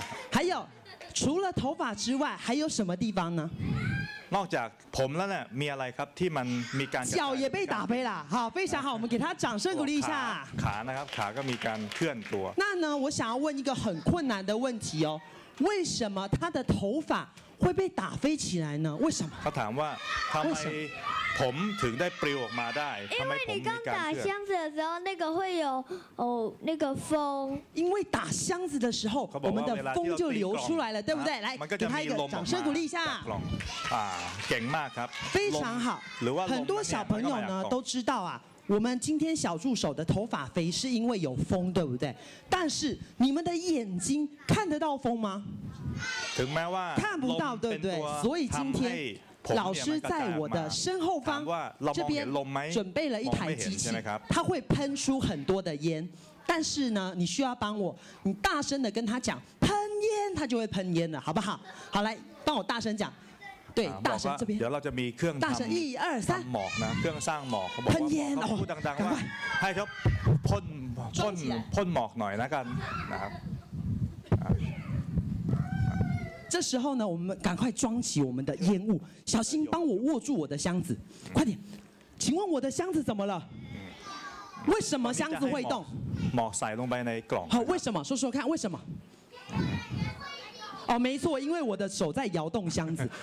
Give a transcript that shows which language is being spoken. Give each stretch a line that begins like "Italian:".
Chinese: 还有，除了头发之外，还有什么地方呢？
Thai: นอกจากผมแล้วเนี่ยมีอะไรครับที่มันมีการ
Chinese: 脚也被打飞了，好，非常好，我们给他掌声鼓励一下。
Thai: ขานะครับ，ขาก็มีการเคลื่อนตัว。
Chinese: 那呢，我想要问一个很困难的问题哦。为什么他的头发会被打飞起来呢？为什么？
Thai: 他ถามว่าทำไมผมถึงได้ปลิวออกมาได้？
Chinese: 因为你刚打箱子的时候，那个会有哦那个风。因为打箱子的时候，我们的风就流出来了，对不对？来，给他一个掌声鼓励一下。啊，劲嘛，ครับ。非常好。很多小朋友呢都知道啊。我们今天小助手的头发飞是因为有风，对不对？但是你们的眼睛看得到风吗？看不到，对不对？所以今天老师在我的身后方这边准备了一台机器，它会喷出很多的烟。但是呢，你需要帮我，你大声的跟他讲喷烟，他就会喷烟了，好不好？好，来帮我大声讲。对，大声这边。
Thai: เดี๋ยวเราจะมีเครื่อง ทำ
Chinese: 一二三
Thai: หมอกนะเครื่องสร้างหมอกเขา บอกว่าเขาพูดดังๆว่าให้เขาพ่นหมอกหน่อยนะกันนะครับ
Chinese: 这时候呢我们赶快装起我们的烟雾小心帮我握住我的箱子快点请问我的箱子怎么了为什么箱子会动
Thai: หมอกใส่ลงไปในกล่อง
Chinese: 好为什么说说看为什么哦，没错，因为我的手在摇动箱子。